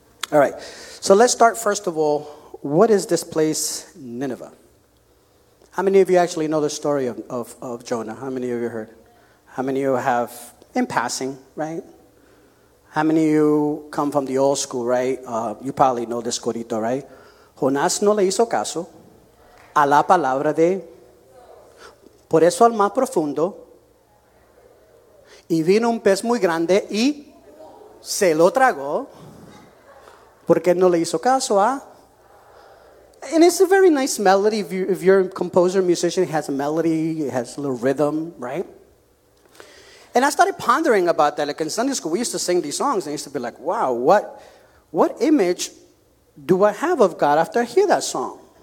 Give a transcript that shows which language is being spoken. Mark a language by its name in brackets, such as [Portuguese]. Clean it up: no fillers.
[English] All right, so let's start first of all, what is this place, Nineveh? How many of you actually know the story of Jonah? How many of you heard? How many of you have, in passing, right? How many of you come from the old school, right? You probably know this corito, right? [Spanish] Jonás no le hizo caso a la palabra de. Por eso al más profundo. Y vino un pez muy grande y se lo tragó. Porque no le hizo caso a. [English] And it's a very nice melody. If you're a composer, musician, it has a melody, it has a little rhythm, right? And I started pondering about that. Like in Sunday school, we used to sing these songs, and I used to be like, wow, what image do I have of God after I hear that song?